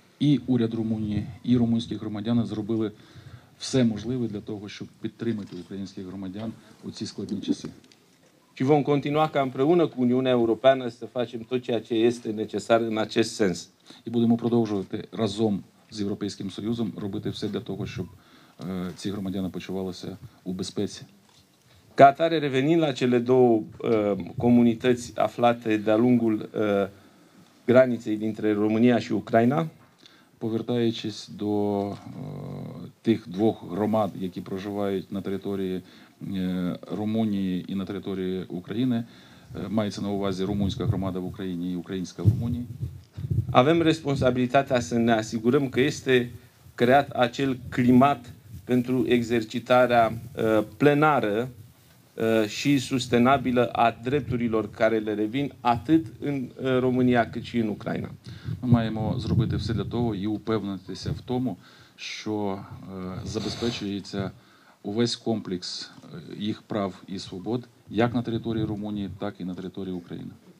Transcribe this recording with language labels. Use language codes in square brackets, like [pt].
[uk] І уряд Румунії, і румунські громадяни зробили все можливе для того, щоб підтримати українських громадян у ці складні часи. [ro] Și vom continua ca împreună cu Uniunea Europeană să facem tot ceea ce este necesar în acest sens. [uk] І будемо продовжувати разом з Європейським Союзом робити все для того, щоб ці громадяни почувалися у безпеці. [ro] Ca atare, revenind la cele două comunități aflate de-a lungul graniței dintre România și Ucraina, [uk] повертаючись до тих двох громад, які проживають на території Румунії і на території України, мається на увазі румунська громада в Україні і українська в Румунії, [ro] avem responsabilitatea să ne asigurăm că este creat acel climat pentru exercitarea plenară și sustenabilă a drepturilor care le revin atât în România cât și în Ucraina. [uk] Ми маємо зробити все для того і упевнитися в тому, що забезпечується увесь комплекс їх прав і свобод як на території Румунії, так і на території України.